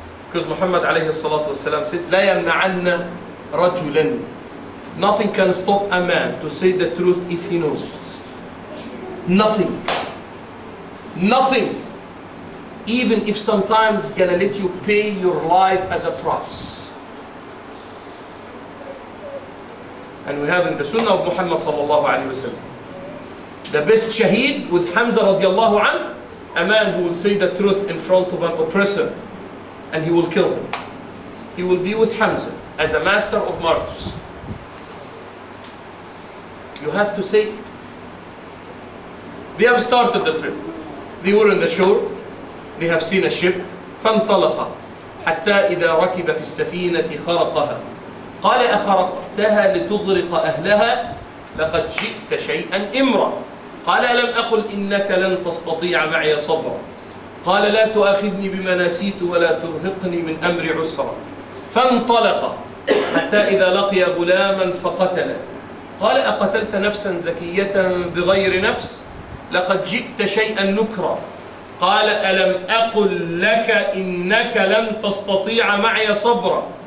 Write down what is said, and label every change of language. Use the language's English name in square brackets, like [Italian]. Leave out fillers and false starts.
[English] Because Muhammad [Arabic] عليه الصلاة والسلام [English] said, [Arabic] لا يمنعن رجلا. [English] Nothing can stop a man to say the truth if he knows it. Nothing. Nothing. Even if sometimes it's gonna let you pay your life as a price. And we have in the Sunnah of Muhammad sallallahu alayhi wa sallam, the best shaheed with Hamza radiallahu an, a man who will say the truth in front of an oppressor and he will kill him. He will be with Hamza as a master of martyrs. You have to say, they have started the trip. They were on the shore. They have seen a ship. [Arabic] فَانْطَلَقَ حَتَّى إِذَا رَكِبَ فِي السَّفِينَةِ خَرَقَهَا قال أخرقتها لتغرق أهلها لقد جئت شيئا إمرا قال ألم أقل إنك لن تستطيع معي صبرا قال لا تؤاخذني بما نسيت ولا ترهقني من أمر عسرا فانطلق حتى إذا لقي غلاما فقتله قال أقتلت نفسا زكية بغير نفس لقد جئت شيئا نكرا قال ألم أقل لك إنك لن تستطيع معي صبرا